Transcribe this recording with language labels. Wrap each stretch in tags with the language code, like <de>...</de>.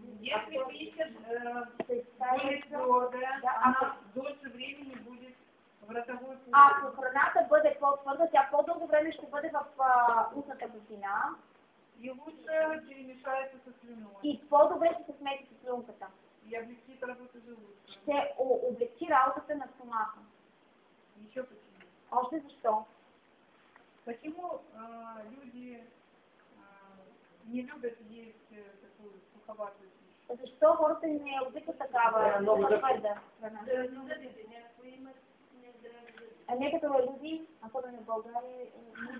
<ru>если пишет она дольше времени будет в ротовой клетке.</ru> <bg>Ако храната бъде по-твърда, тя по-дълго време ще бъде в устната кухина.</bg> <ru>И лучше перемешается со слюной.</ru> <bg>И по-добре ще се смеси с слюнката.</bg> <ru>И облегчит работу желудка.</ru> <bg>Ще облегчи работата на стомаха.</bg> <ru>Еще почему?</ru> <bg>Още защо?</bg> <ru>Почему люди не любят есть такую суховатую пищу?</ru> <bg>Защо хората не обичат такава твърда храна?</bg> <ru>А некоторые люди, особенно в Болгарии, не</ru>